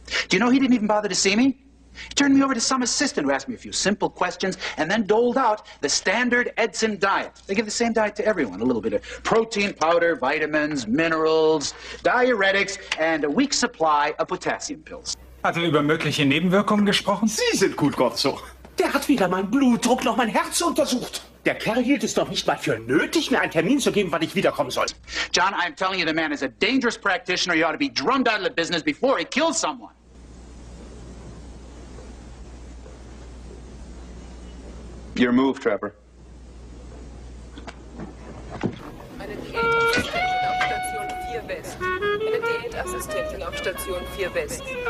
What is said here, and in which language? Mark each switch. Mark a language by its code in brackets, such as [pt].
[en] Do you know he didn't even bother to see me? He turned me over to some assistant who asked me a few simple questions and then doled out the standard Edson diet. They give the same diet to everyone. A little bit of protein powder, vitamins, minerals, diuretics, and a week's supply of potassium pills. [de] Hat er über mögliche Nebenwirkungen gesprochen? Sie sind gut, Gonzo. Der hat weder meinen Blutdruck noch mein Herz untersucht. Der Kerl hielt es doch nicht mal für nötig, mir einen Termin zu geben, wann ich wiederkommen soll. [en] John, I'm telling you, the man is a dangerous practitioner. You ought to be drummed out of the business before he kills someone. Your move, Trapper. [de] Eine Diätassistentin auf Station 4 West. Eine Diätassistentin auf Station 4 West.